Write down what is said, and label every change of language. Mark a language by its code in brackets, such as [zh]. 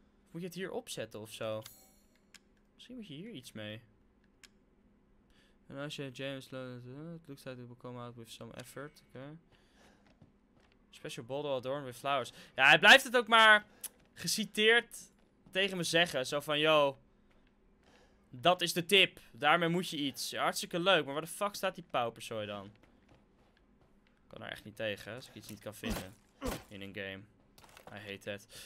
[nl] Moet je het hier opzetten of zo? Misschien moet je hier iets mee. En als je James... [en] Het looks like it will come out with some effort. Oké. Okay. Special bottle adorned with flowers. [nl] Ja, hij blijft het ook maar geciteerd tegen me zeggen. Zo van, yo, dat is de tip. Daarmee moet je iets. Ja, hartstikke leuk, maar waar de fuck staat die pauperzooi dan? Ik kan er echt niet tegen, als ik iets niet kan vinden in een game. [en] I hate that.